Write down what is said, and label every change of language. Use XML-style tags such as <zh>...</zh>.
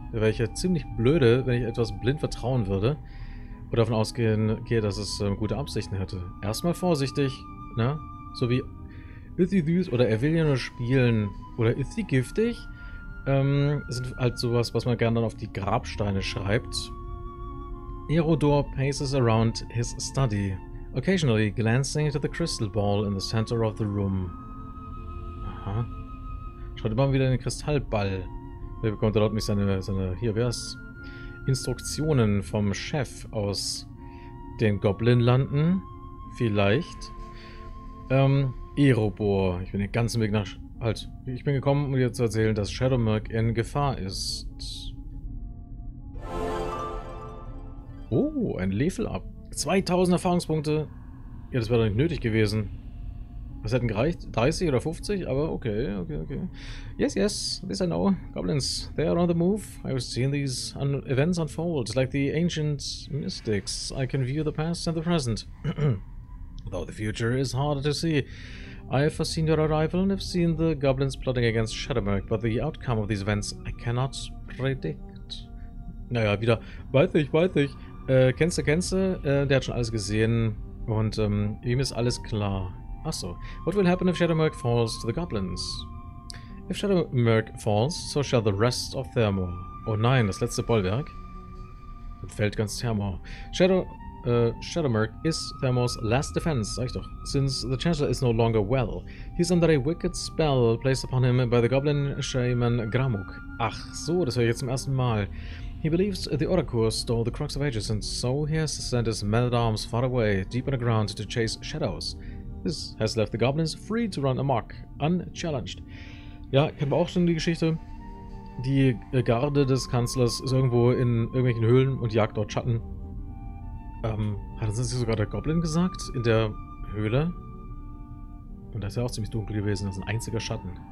<de>Da wäre ich ja ziemlich blöde, wenn ich etwas blind vertrauen würde oder davon ausgehen gehe, dass es gute Absichten hätte. Erstmal vorsichtig, ne? So wie Ithidus oder er will ja nur spielen oder ist sie giftig? Sind halt sowas, was man gerne dann auf die Grabsteine schreibt.</de> <en>Erodor paces around his study, occasionally glancing into the crystal ball in the center of the room.</en> <de>Aha. Schaut immer wieder in den Kristallball. Wer bekommt er dort nicht seine, hier wär's, Instruktionen vom Chef aus den Goblinlanden? Vielleicht. Erobor, ich bin den ganzen Weg nach... Halt, ich bin gekommen, um dir zu erzählen, dass Shadowmurk in Gefahr ist. Oh, ein Level-Up. 2000 Erfahrungspunkte. Ja, das wäre doch nicht nötig gewesen. Was hätten gereicht? 30 oder 50?</de> <en>Aber okay, okay, okay. Yes, yes, this I know. Goblins, they are on the move. I have seen these events unfold. Like the ancient mystics, I can view the past and the present. Though the future is harder to see. I have foreseen your arrival and have seen the goblins plotting against Shadowmurk, but the outcome of these events I cannot predict.</en> <de>Naja, wieder. Weiß ich. Kennst du, der hat schon alles gesehen und ihm ist alles klar. Achso.</de> <en>What will happen if Shadowmurk falls to the goblins? If Shadowmurk falls, so shall the rest of Theramore.</en> <de>Oh nein, das letzte Bollwerk. Dann fällt ganz Theramore.</de> <en>Shadowmurk is Theramore's last defense,</en> <de>sag ich doch,</de> <en>since the Chancellor is no longer well. He's under a wicked spell placed upon him by the goblin shaman Gramuk.</en> <de>Ach so, das höre ich jetzt zum ersten Mal.</de> <en>He believes the Orakur stole the Crux of Ages, and so he has sent his men-at-arms far away, deep underground, to chase shadows. This has left the goblins free to run amok, unchallenged.</en> <de>Ja, kennen wir auch schon die Geschichte. Die Garde des Kanzlers ist irgendwo in irgendwelchen Höhlen und jagt dort Schatten. Hat uns das hier sogar der Goblin gesagt? In der Höhle? Und das ist ja auch ziemlich dunkel gewesen. Das ist ein einziger Schatten.</de>